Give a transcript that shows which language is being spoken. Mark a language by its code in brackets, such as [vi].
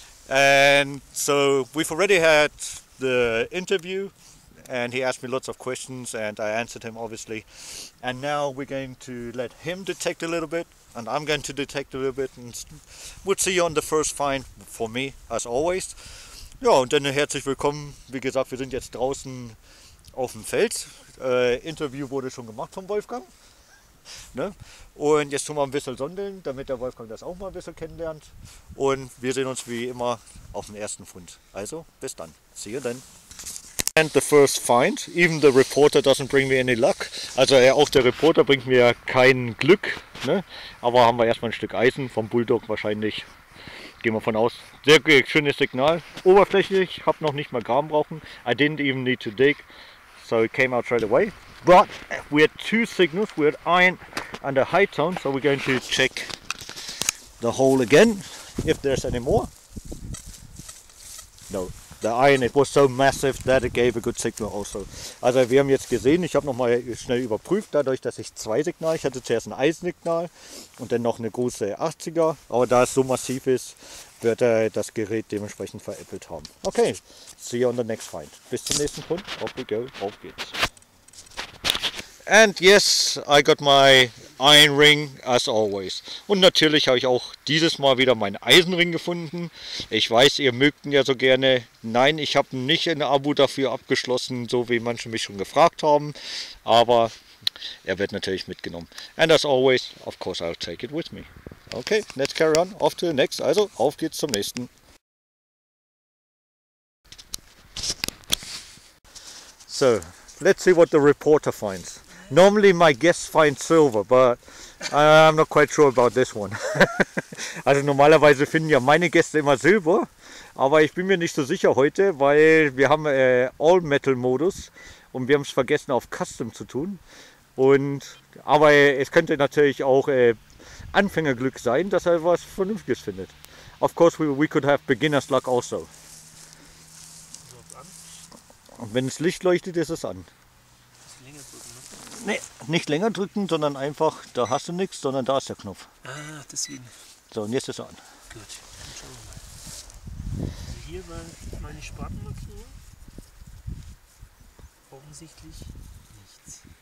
[en] And so we've already had the interview and he asked me lots of questions and I answered him obviously. And now we're going to let him detect a little bit and I'm going to detect a little bit. And we'll see you on the first find for me, as always. [de] Ja, und dann herzlich willkommen. Wie gesagt, wir sind jetzt draußen auf dem Feld. Interview wurde schon gemacht vom Wolfgang. Ne? Und jetzt tun wir ein bisschen sondeln, damit der Wolfgang das auch mal ein bisschen kennenlernt. Und wir sehen uns wie immer auf dem ersten Fund. Also, bis dann. [en] See you then. And the first find. Even the reporter doesn't bring me any luck. [de] Also auch der Reporter bringt mir kein Glück. Ne? Aber haben wir erstmal ein Stück Eisen vom Bulldog wahrscheinlich. Gehen wir von aus. Sehr schönes Signal. Oberflächlich, habe noch nicht mal Graben brauchen. [en] I didn't even need to dig, so it came out right away. But we had two signals. We had iron and a high tone, so we're going to check the hole again, if there's any more. No, the iron, it was so massive that it gave a good signal also. [de] Also wir haben jetzt gesehen, ich habe noch mal schnell überprüft, dadurch, dass ich zwei Signale, ich hatte zuerst ein Eisensignal und dann noch eine große 80er, aber da es so massiv ist, wird er das Gerät dementsprechend veräppelt haben. [en] Okay, see you on the next find. [de] Bis zum nächsten Punkt. [en] Off we go. [de] Auf geht's. [en] And yes, I got my iron ring as always. [de] Und natürlich habe ich auch dieses Mal wieder meinen Eisenring gefunden. Ich weiß, ihr mögt ihn ja so gerne. Nein, ich habe nicht ein Abo dafür abgeschlossen, so wie manche mich schon gefragt haben. Aber er wird natürlich mitgenommen. [en] And as always, of course, I'll take it with me. Okay, let's carry on. Off to the next. [de] Also, auf geht's zum nächsten. [en] So, let's see what the reporter finds. Normally my guests find silver, but I'm not quite sure about this one. [de] Also normalerweise finden ja meine Gäste immer Silber, aber ich bin mir nicht so sicher heute, weil wir haben All-Metal-Modus und wir haben es vergessen auf Custom zu tun. Und aber es könnte natürlich auch Anfängerglück sein, dass er was Vernünftiges findet. [en] Of course we could have beginner's luck also. [de] Und wenn das Licht leuchtet, ist es an. Nee, nicht länger drücken, sondern einfach, da hast du nichts, sondern da ist der Knopf. Ah, deswegen. So, und jetzt ist er an. Gut, dann schauen wir mal. Also hier war meine Spatenmarkierung. Offensichtlich nichts.